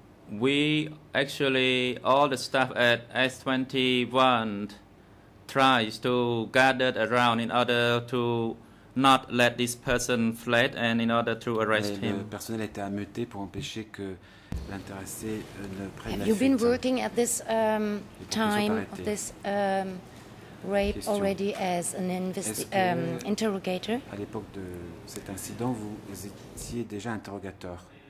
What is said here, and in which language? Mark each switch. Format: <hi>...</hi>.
<en>We actually, all the staff at S21 tries to gather around in order to not let this person fled and in order to arrest him.</en> <fr>Le personnel était ameuté pour empêcher que l'intéressé ne prenne</fr> <en>Have you been working at this time of this rape Question. Already as an interrogator?</en> <fr>À l'époque de cet incident, vous étiez déjà interrogateur.</fr>